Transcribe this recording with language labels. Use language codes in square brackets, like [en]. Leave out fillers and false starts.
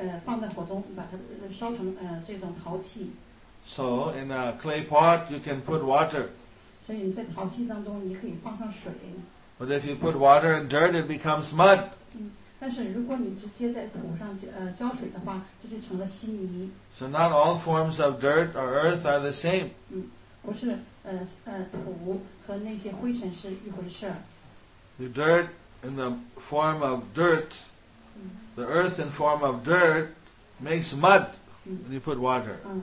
[zh] 就像你在从土里面呢，你可以做成那个陶盆，陶罐，你可以放在火中把它烧成这种陶器。 [en] So in a clay pot, you can put water. [zh] 所以你在陶器当中，你可以放上水。 [en] But if you put water and dirt, it becomes mud. [zh] 但是如果你直接在土上浇水的话，这就成了稀泥。 [en] So not all forms of dirt or earth are the same. [zh] 不是土和那些灰尘是一回事。The [en] dirt in the form of dirt, the earth in form of dirt makes mud when you put water.